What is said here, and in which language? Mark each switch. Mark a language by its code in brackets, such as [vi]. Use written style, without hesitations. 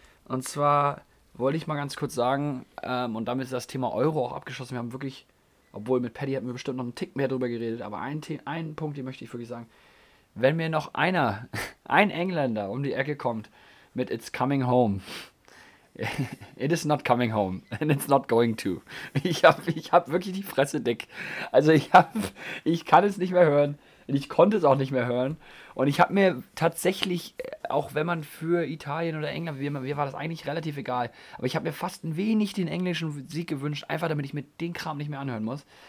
[de] Und zwar wollte ich mal ganz kurz sagen, und damit ist das Thema Euro auch abgeschlossen. Wir haben wirklich, obwohl mit Paddy hatten wir bestimmt noch einen Tick mehr drüber geredet, aber einen Punkt, den möchte ich wirklich sagen. Wenn mir noch einer, ein Engländer um die Ecke kommt mit [en] It's coming home. It is not coming home and it's not going to. [de] Ich hab wirklich die Fresse dick. Also ich kann es nicht mehr hören. Ich konnte es auch nicht mehr hören. Und ich habe mir tatsächlich, auch wenn man für Italien oder England, mir war das eigentlich relativ egal, aber ich habe mir fast ein wenig den englischen Sieg gewünscht, einfach damit ich mir den Kram nicht mehr anhören muss.